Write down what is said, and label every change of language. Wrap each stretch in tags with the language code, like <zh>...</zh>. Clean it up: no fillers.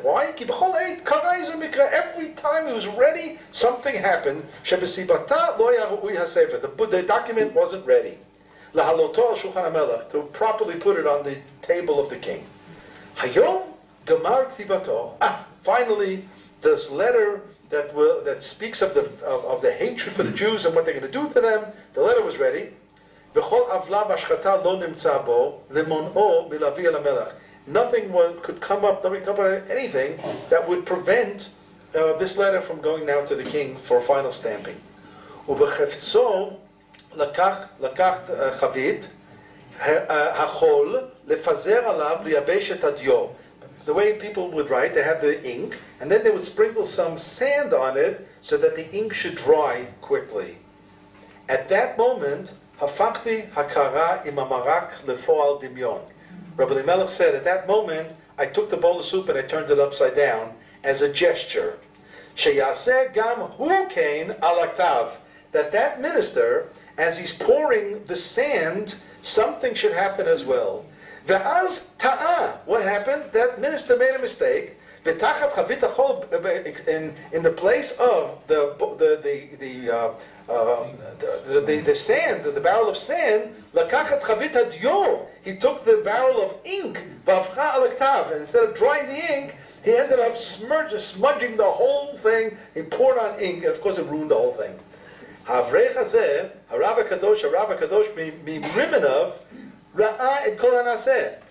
<en>Why? Every time he was ready, something happened. The document wasn't ready.</en> <he>להעלותו על שולחן המלך,</he> <en>to properly put it on the table of the king.</en> <he>היום גמר כתיבתו.</he> <en>Ah, finally, this letter that speaks of the hatred for the Jews and what they're going to do to them, the letter was ready.</en> <he>וכל עוולה והשחתה לא נמצא בו, למונעו מלהביא אל המלך.</he> <en>Nothing could come up, anything that would prevent this letter from going now to the king for final stamping.</en> <he>ובחפצו לקח חבית החול לפזר עליו ליבש את הדיו.</he> <en>The way people would write, they had the ink, and then they would sprinkle some sand on it so that the ink should dry quickly. At that moment,</en> <he>הפכתי הקערה עם המרק לפועל דמיון.</he> <en>Rabbi Melech said, at that moment, I took the bowl of soup and I turned it upside down as a gesture.</en> <he>שיעשה גם הוא כן על הכתב.</he> <en>That minister, as he's pouring the sand, something should happen as well.</en> <he>ואז טעה.</he> <en>What happened? That minister made a mistake.</en> <he>ותחת חבית החול,</he> <en>in the place of the sand, the barrel of sand,</en> <he>לקחת חבית הדיו.</he> <en>He took the barrel of ink,</en> <he>והפכה על הכתב.</he> <en>And instead of drying the ink, he ended up smudging the whole thing. He poured on ink, and of course it ruined the whole thing.</en> <he>האברך הזה, הרב הקדוש מרימנוב, ראה את כל הנעשה.</he>